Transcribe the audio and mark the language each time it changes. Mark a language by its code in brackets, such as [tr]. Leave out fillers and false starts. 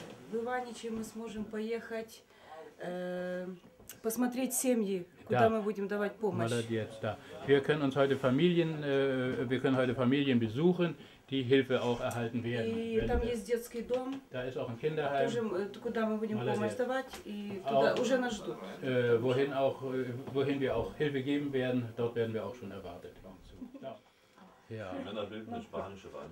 [ru] В Иваничи мы сможем поехать посмотреть семьи, куда мы будем давать помощь. Молодец, да. [de] Wir können heute Familien besuchen, die Hilfe auch erhalten werden. [ru] И там есть детский дом. [de] Da ist auch ein Kinderheim. [ru] Тоже, куда мы будем помощь давать, и туда уже нас ждут. [de] Wohin wir auch Hilfe geben werden, dort werden wir auch schon erwartet. Ja. Die Männer bilden eine spanische Wand.